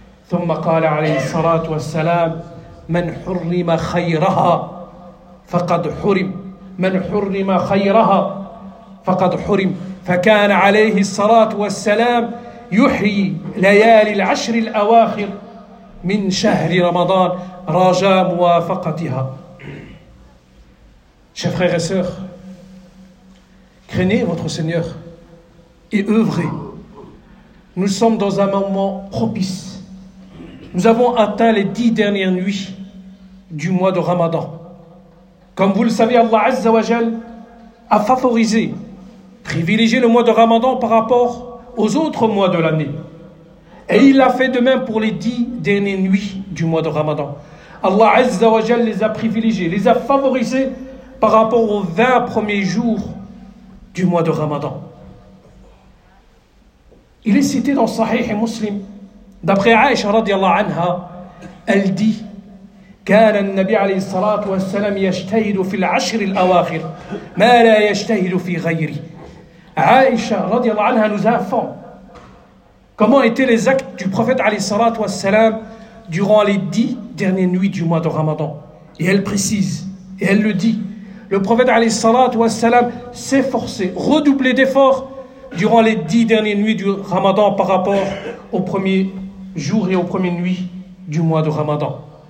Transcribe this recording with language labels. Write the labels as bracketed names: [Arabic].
[Arabic] ثم قال عليه الصلاة والسلام: من حرم خيرها فقد حرم، من حرم خيرها فقد حرم. فكان عليه الصلاة والسلام يحيي ليالي العشر الأواخر من شهر رمضان رجاء موافقتها. [French] Chers frères et sœurs, craignez votre Seigneur et œuvrez. Nous sommes dans un moment propice. Nous avons atteint les 10 dernières nuits du mois de Ramadan. Comme vous le savez, Allah Azza wa Jal a favorisé, privilégié le mois de Ramadan par rapport aux autres mois de l'année. Et il l'a fait de même pour les 10 dernières nuits du mois de Ramadan. Allah Azza wa Jal les a privilégiés, les a favorisés par rapport aux 20 premiers jours du mois de Ramadan. Il est cité dans Sahih Muslim, d'après Aïcha radiallahu anha, elle dit: [Arabic] كان النبي عليه الصلاة والسلام يجتهد في العشر الأواخر ما لا يجتهد في غيره. [French] Aïcha radiallahu anha nous informe comment étaient les actes du prophète [Arabic] عليه الصلاة والسلام [French] durant les 10 dernières nuits du mois de Ramadan. Et elle précise, et elle le dit: le prophète s'efforçait, redoublait d'efforts durant les 10 dernières nuits du Ramadan par rapport aux premiers jours et aux premières nuits du mois de Ramadan.